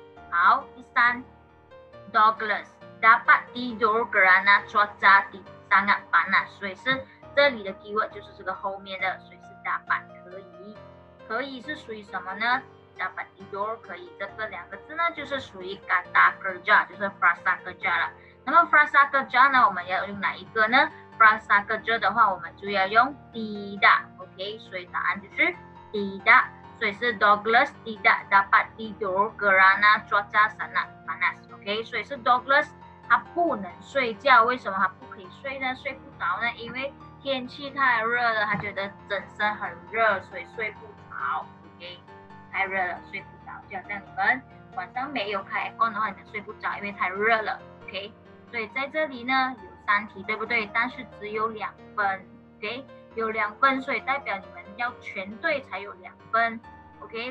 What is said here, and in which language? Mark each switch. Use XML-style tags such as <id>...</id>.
<zh>好，第三 ，</zh> <ms>Douglas dapat tidur kerana cuaca sangat panas，</ms> <zh>所以是这里的 keyword 就是这个后面的，所以是 dapat 可以，可以是属于什么呢 ？</zh> <ms>dapat tidur</ms> <zh>可以，这个两个字呢就是属于</zh> <ms>kata kerja，</ms> <zh>就是</zh> <ms>frasa kerja</ms> <zh>了。那么 frasa kerja 呢，我们要用哪一个呢 ？frasa kerja 的话，我们就要用 tidak， OK， 所以答案就是 tidak。所以是</zh> <ms>Douglas tidak dapat tidur kerana cuaca sangat panas， OK， 所以是 Douglas</ms> <zh>他不能睡觉。为什么他不可以睡呢？睡不着呢？因为天气太热了，他觉得整身很热，所以睡不着， OK， 太热了睡不着。就像你们晚上没有开 aircon 的话，你们睡不着，因为太热了， OK。所以在这里呢有三题，对不对？但是只有两分， OK， 有两分，所以代表你们要全对才有两分， OK。</zh>